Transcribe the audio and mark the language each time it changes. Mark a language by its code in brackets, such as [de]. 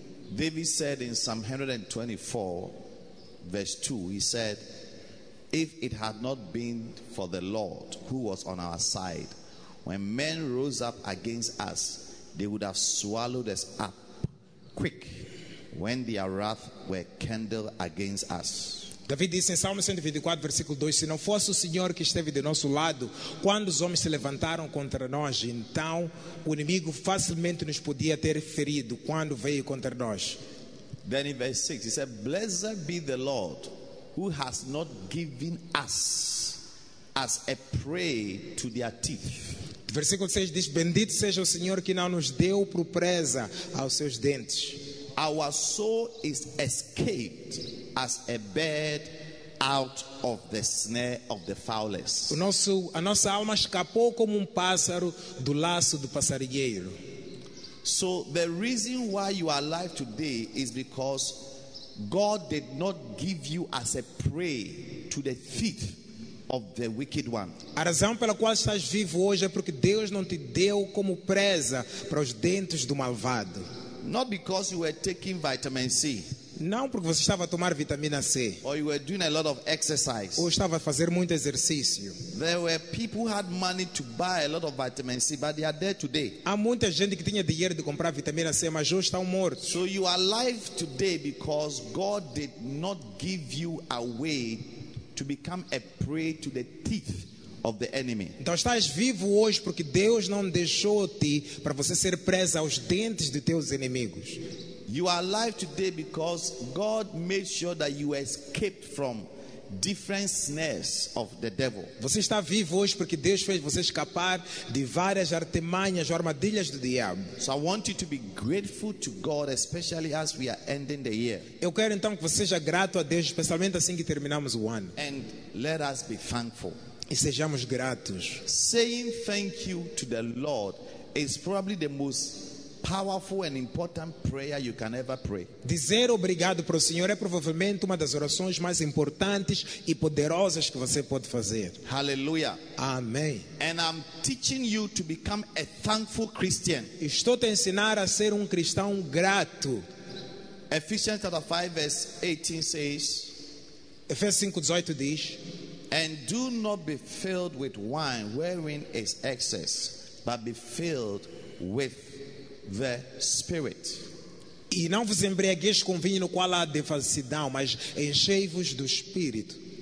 [en] David said in Psalm 124, verse 2, he said, if it had not been for the Lord who was on our side, when men rose up against us, they would have swallowed us up quick when their wrath were kindled against us. [pt] David disse em Salmo 124, versículo 2, se não fosse o Senhor que esteve de nosso lado, quando os homens se levantaram contra nós, então o inimigo facilmente nos podia ter ferido quando veio contra nós. [en] Then in verse 6, he said, blessed be the Lord who has not given us as a prey to their teeth. [pt] Versículo 6 diz, bendito seja o Senhor que não nos deu por presa aos seus dentes. [en] Our soul is escaped as a bird out of the snare of the fowlers. [pt] A nossa alma escapou como pássaro do laço do passarinheiro. [en] So the reason why you are alive today is because God did not give you as a prey to the thief of the wicked one. [pt] A razão pela qual estás vivo hoje é porque Deus não te deu como presa para os dentes do malvado. [en] Not because you were taking vitamin C. [pt] Não porque você estava a tomar vitamina C. [en] Or you were doing a lot of exercise. [pt] Ou estava a fazer muito exercício. [en] There were people who had money to buy a lot of vitamin C, but they are dead today. [pt] Há muita gente que tinha dinheiro de comprar vitamina C, mas hoje estão mortos. [en] So you are alive today because God did not give you a way to become a prey to the teeth of the enemy. [pt] Então estás vivo hoje porque Deus não deixou te para você ser presa aos dentes de teus inimigos. [en] You are alive today because God made sure that you escaped from different snares of the devil. [pt] Você está vivo hoje porque Deus fez você escapar de várias artimanhas, armadilhas do diabo. [en] So I want you to be grateful to God, especially as we are ending the year. [pt] Eu quero então que você seja grato a Deus, especialmente assim que terminamos o ano. [en] And let us be thankful. [pt] E sejamos gratos. [en] Saying thank you to the Lord is probably the most powerful and important prayer you can ever pray. [pt] Dizer obrigado para o Senhor é provavelmente uma das orações mais importantes e poderosas que você pode fazer. [en] Hallelujah. [pt] Amém. [en] And I'm teaching you to become a thankful Christian. [pt] Estou te ensinar a ser cristão grato. [en] Ephesians chapter 5 verse 18 says. [pt] Efésios 5:18 diz. [en] And do not be filled with wine wherein is excess, but be filled with the Spirit. [pt] E não vos embriagueis com vinho no qual há defasidão, mas enchei-vos do Espírito.